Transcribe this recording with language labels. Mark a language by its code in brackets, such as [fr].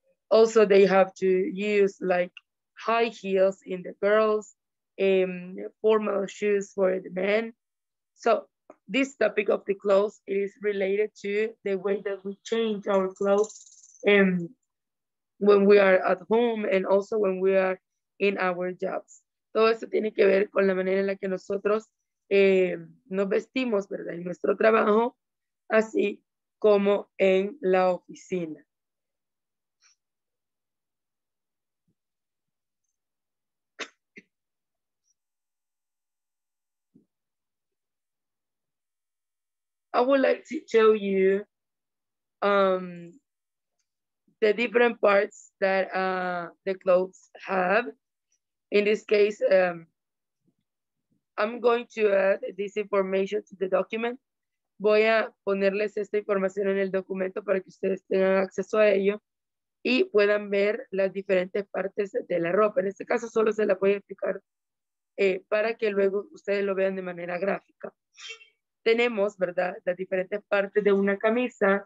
[en] also, they have to use, like, high heels in the girls, formal shoes for the men. So this topic of the clothes is related to the way that we change our clothes when we are at home and also when we are in our jobs. [es] Todo esto tiene que ver con la manera en la que nosotros nos vestimos, ¿verdad? En nuestro trabajo, así como en la oficina. [en] I would like to show you the different parts that the clothes have. In this case, I'm going to add this information to the document. [es] Voy a ponerles esta información en el documento para que ustedes tengan acceso a ello y puedan ver las diferentes partes de la ropa. En este caso, solo se la voy a explicar para que luego ustedes lo vean de manera gráfica. Tenemos, ¿verdad?, las diferentes partes de una camisa.